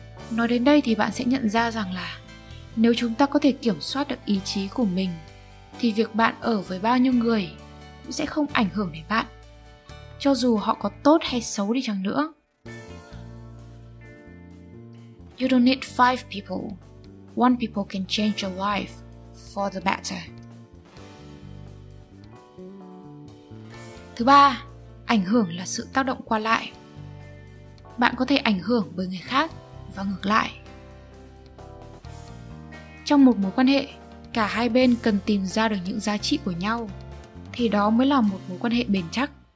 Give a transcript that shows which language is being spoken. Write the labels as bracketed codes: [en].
[vi] Nói đến đây thì bạn sẽ nhận ra rằng là nếu chúng ta có thể kiểm soát được ý chí của mình, thì việc bạn ở với bao nhiêu người cũng sẽ không ảnh hưởng đến bạn, cho dù họ có tốt hay xấu đi chăng nữa. [en] You don't need 5 people. 1 people can change your life for the better. [vi] Thứ ba, ảnh hưởng là sự tác động qua lại. Bạn có thể ảnh hưởng bởi người khác và ngược lại. Trong một mối quan hệ, cả hai bên cần tìm ra được những giá trị của nhau, thì đó mới là một mối quan hệ bền chắc.